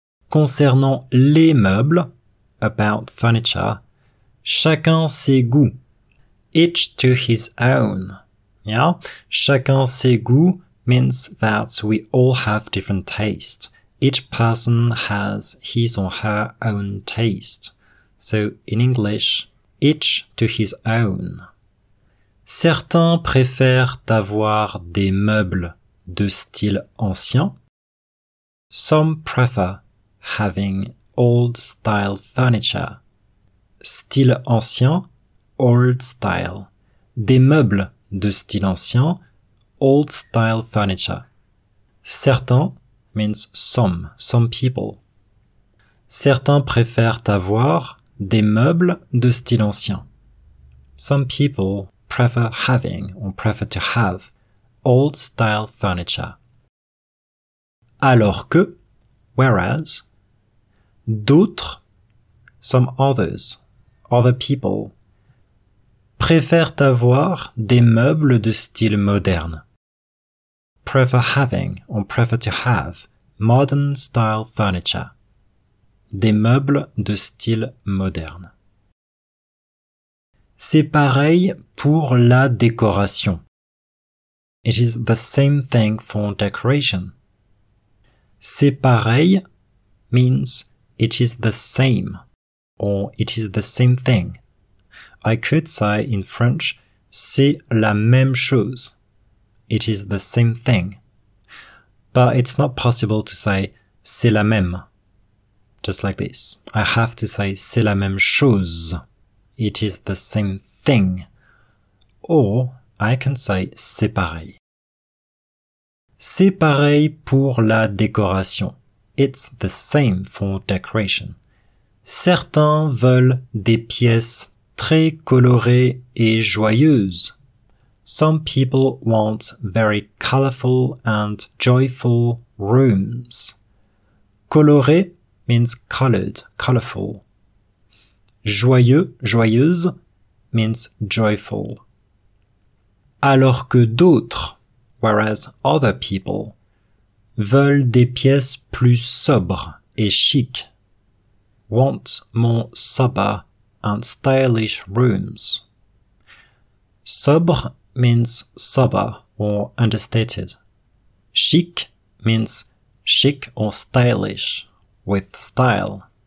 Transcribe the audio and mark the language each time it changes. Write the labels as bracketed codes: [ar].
[fr] Concernant les meubles, [en] about furniture, [fr] chacun ses goûts. [en] Each to his own Yeah, [fr] chacun ses goûts [en] means that we all have different tastes. Each person has his or her own taste. So in English, each to his own. [fr] Certains préfèrent avoir des meubles de style ancien. [en] Some prefer having old style furniture. [fr] Style ancien, [en] old style. [fr] Des meubles de style ancien, [en] old style furniture. Certains means some people. [fr] Certains préfèrent avoir des meubles de style ancien. [en] Some people prefer having or prefer to have old style furniture. [fr] Alors que, [en] whereas, [fr] d'autres, [en] some others, other people, [fr] préfèrent avoir des meubles de style moderne. [en] Prefer having or prefer to have modern style furniture. [fr] Des meubles de style moderne. C'est pareil pour la décoration. [en] It is the same thing for decoration. [fr] C'est pareil [en] means it is the same or it is the same thing. I could say in French, [fr] c'est la même chose. [en] It is the same thing. But it's not possible to say [fr] c'est la même. [en] Just like this. I have to say [fr] c'est la même chose. [en] It is the same thing. Or I can say [fr] c'est pareil. C'est pareil pour la décoration. [en] It's the same for decoration. [fr] Certains veulent des pièces très colorées et joyeuses. [en] Some people want very colorful and joyful rooms. Coloré means colored, colorful. [fr] Joyeux, joyeuse [en] means joyful. [fr] Alors que d'autres, [en] whereas other people, [fr] veulent des pièces plus sobres et chic. [en] Want more sober and stylish rooms. Sobre means sober or understated. Chic means chic or stylish, with style.